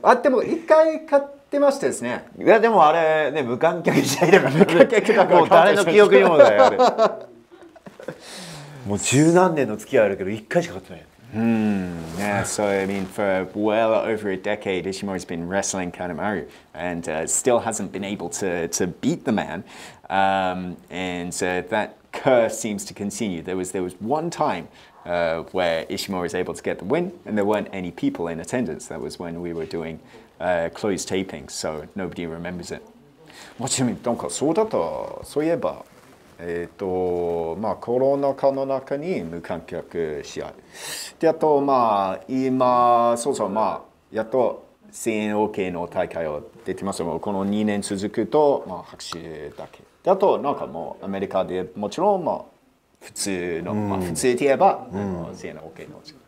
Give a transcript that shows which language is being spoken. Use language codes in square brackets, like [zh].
[ja] あでも一回勝ってましたですね。いやでもあれね無観客試合だから、無観客だからもう誰の記憶にもないあれ。もう十何年の付き合いあるけど一回しか勝ってない。 [en] Yeah, so I mean, for well over a decade, Ishimori's been wrestling Kanemaru and still hasn't been able to beat the man. And that curse seems to continue. There was one time where Ishimori was able to get the win, and there weren't any people in attendance. That was when we were doing closed tapings, so nobody remembers it. [ja] もちろん、なんかそうだった。そういえば。まあ、コロナ禍の中に無観客試合で、あと、まあ、今そうそう、まあ、やっと声援 OK の大会をできますが、この2年続くと、まあ、拍手だけで、あとなんかもうアメリカでもちろん、まあ、普通の、まあ、普通といえば、うん、声援 OK の、